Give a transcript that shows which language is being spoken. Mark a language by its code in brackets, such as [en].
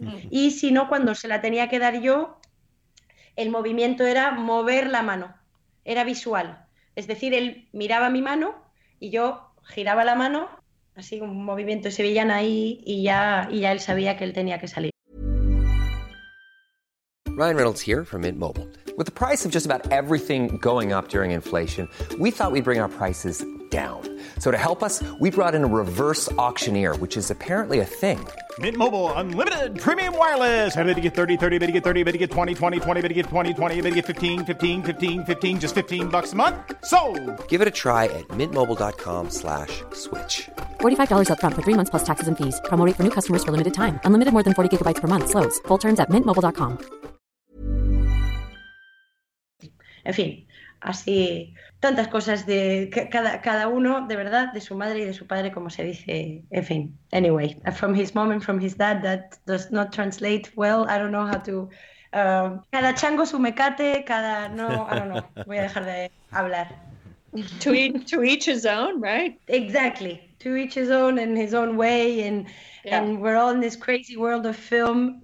[es] Y si no, cuando se la tenía que dar yo, el movimiento era mover la mano, era visual, es decir, él miraba mi mano y yo giraba la mano, así un movimiento sevillano ahí, y ya él sabía que él tenía que salir. [en] Ryan Reynolds here from Mint Mobile. With the price of just about everything going up during inflation, we thought we'd bring our prices down. So to help us, we brought in a reverse auctioneer, which is apparently a thing. Mint Mobile Unlimited Premium Wireless. How to get 30, 30, how to get 30, how to get 20, 20, 20, how to get 20, 20, how to get 15, 15, 15, 15, just $15 a month? Sold! Give it a try at mintmobile.com/switch. $45 up front for 3 months plus taxes and fees. Promo rate for new customers for limited time. Unlimited more than 40 gigabytes per month. Slows full terms at mintmobile.com. [es] En fin, así tantas cosas de cada uno, de verdad, de su madre y de su padre, como se dice. En fin, [en] anyway, from his mom and from his dad, that does not translate well. I don't know how to. [es] Cada chango su mecate, [en] I don't know. [es] Voy a dejar de hablar. [en] To each his own, right? Exactly. To each his own and his own way, and we're all in this crazy world of film.